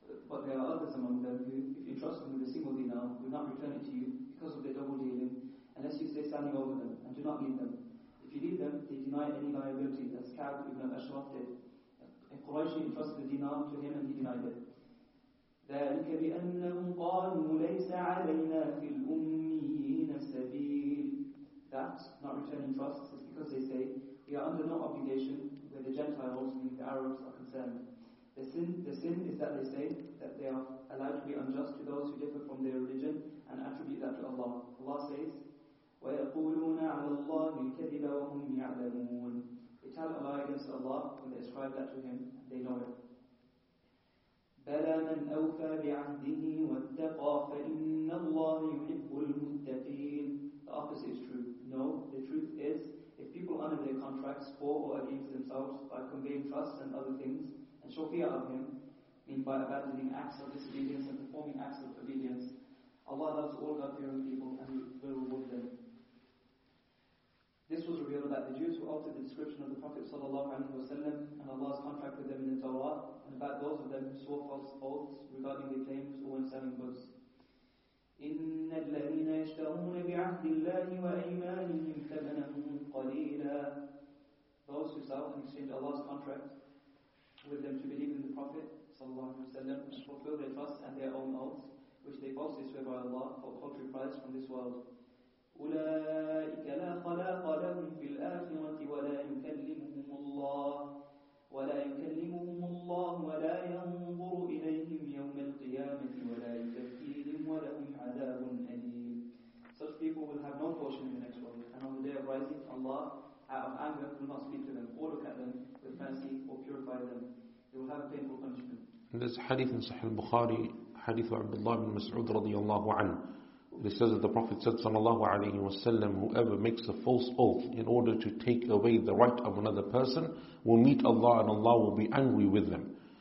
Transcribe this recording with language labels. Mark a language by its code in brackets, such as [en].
[en] But there are others among them who, if you trust them with a single dinar, will not return it to you because of their double dealing, unless you stay standing over them and do not leave them. If you leave them, they deny any liability, as Ka'b ibn al-Ashraf did. Quraysh entrusted the dinar to him and he denied it. [ar] ذلك بأنهم قالوا ليس علينا في الأميين سبيل. [en] That, not returning trusts, is because they say, we are under no obligation where the Gentiles, meaning the Arabs, are concerned. The sin is that they say that they are allowed to be unjust to those who differ from their religion and attribute that to Allah. Allah says, [ar] وَيَقُولُونَ عَلَى اللَّهِ الْكَذِبَ وَهُمْ يَعْلَمُونَ. [en] They tell a lie against Allah and they ascribe that to Him, and they know it. [ar] بَلَى مَنْ أَوْفَى بِعَهْدِهِ وَاتَّقَى فَإِنَّ اللَّهِ يُحِبُّ الْمُتَّقِينَ. [en] The opposite is true. No, the truth is, if people honor their contracts for or against themselves by conveying trust and other things, and show fear of Him, meaning by abandoning acts of disobedience and performing acts of obedience, Allah loves all God-fearing people and will reward them. This was revealed that the Jews who altered the description of the Prophet ﷺ and Allah's contract with them in the Torah, and about those of them who swore false oaths regarding their claims or when selling goods. [ar] إن الذين يشترون بعهد الله وأيمانهم ثمنا قليلا. [en] Those who sell and exchange Allah's contract with them to believe in the Prophet sallallahu alaihi wasallam and fulfill their trust and their own oaths, which they falsely swear by Allah for paltry price from this world. [ar] أولئك لا خلاق لهم في الآخرة ولا يكلمهم الله ولا يكلمهم الله ولا ينظر إليهم يوم القيامة ولا يزكيهم ولهم عذاب أليم. [en] Such people will have no portion in the next world, and on the day of rising, Allah, out of anger, will not speak to them or look at them with mercy or purify them. They will have a painful punishment. And this hadith in Sahih al-Bukhari, hadith of Abdullah ibn Mas'ud radiyallahu anhu. It says that the Prophet said, sallallahu alayhi wa sallam, whoever makes a false oath in order to take away the right of another person will meet Allah and Allah will be angry with them.